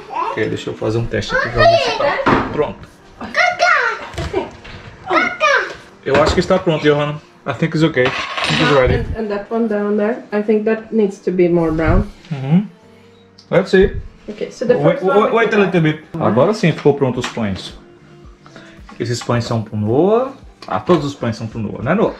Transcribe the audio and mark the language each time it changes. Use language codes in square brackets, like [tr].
[pt] Ok, deixa eu fazer um teste aqui pra ver se tá pronto. Eu acho que está pronto, Johanna. [en] I think it's okay. It's ready. And that one down there, I think that needs to be more brown. Mm-hmm. Let's see. Okay, so the first one. Wait a little bit. [pt] Agora sim ficou pronto os pães. Esses pães são pro Noah. Ah, todos os pães são pro Noah, né, Noah?